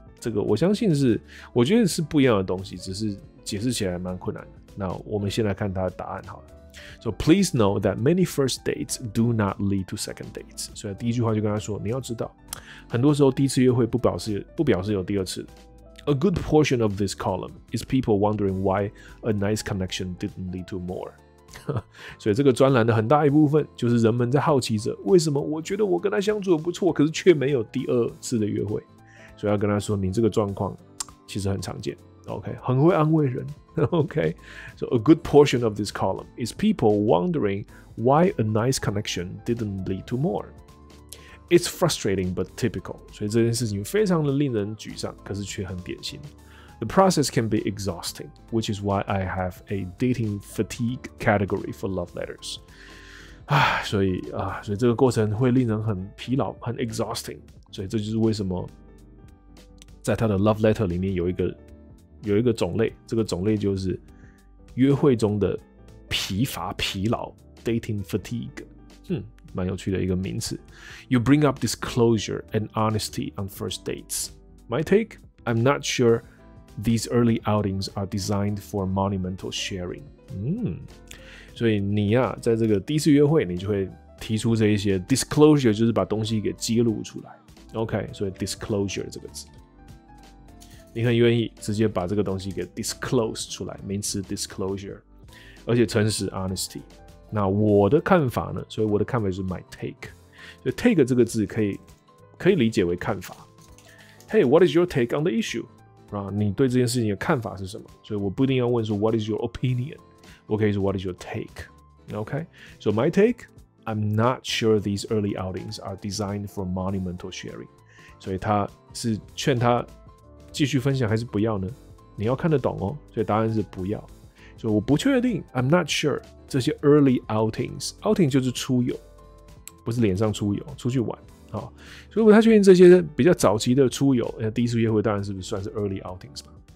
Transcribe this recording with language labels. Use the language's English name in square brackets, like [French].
[Chinese] 这个我相信是，我觉得是不一样的东西，只是解释起来蛮困难的。那我们先来看他的答案好了。 [English] So please know that many first dates do not lead to second dates。 [Chinese] 所以第一句话就跟他说，你要知道，很多时候第一次约会不表示有第二次， [English] A good portion of this column is people wondering why a nice connection didn't lead to more. [Chinese] 所以这个专栏的很大一部分就是人们在好奇着，为什么我觉得我跟他相处得不错，可是却没有第二次的约会。所以要跟他说，你这个状况其实很常见。 OK， 很会安慰人。 [English] OK， so a good portion of this column is people wondering why a nice connection didn't lead to more. It's frustrating but typical. [Chinese] 所以这件事情非常的令人沮丧，可是却很典型。 [English] The process can be exhausting, which is why I have a dating fatigue category for love letters. [Chinese] 所以这个过程会令人很疲劳，很 exhausting. 所以这就是为什么在他的 love letter 里面有一个种类，这个种类就是约会中的疲乏疲劳 ，dating fatigue， 蛮有趣的一个名词。 [English] You bring up disclosure and honesty on first dates. My take: I'm not sure these early outings are designed for monumental sharing. [Chinese] 所以你呀、啊，在这个第一次约会，你就会提出这一些 disclosure， 就是把东西给揭露出来。 OK， 所以 disclosure 这个词。你很愿意直接把这个东西给 disclose 出来，名词 disclosure， 而且诚实 honesty。那我的看法呢？所以我的看法就是 my take。所以 take 这个字可以理解为看法。 [English] Hey, what is your take on the issue？ [Chinese] 啊，你对这件事情的看法是什么？所以我不一定要问说 what is your opinion，我可以说 what is your take。 [English] OK， so my take， I'm not sure these early outings are designed for monumental sharing。 [Chinese] 所以他是劝他。继续分享还是不要呢？你要看得懂哦，所以答案是不要。所以我不确定 ， I'm not sure 这些 early outings 就是出游，不是脸上出游，出去玩啊、哦。所以我不太确定这些比较早期的出游，第一次约会当然是不是算是 early outings 嘛？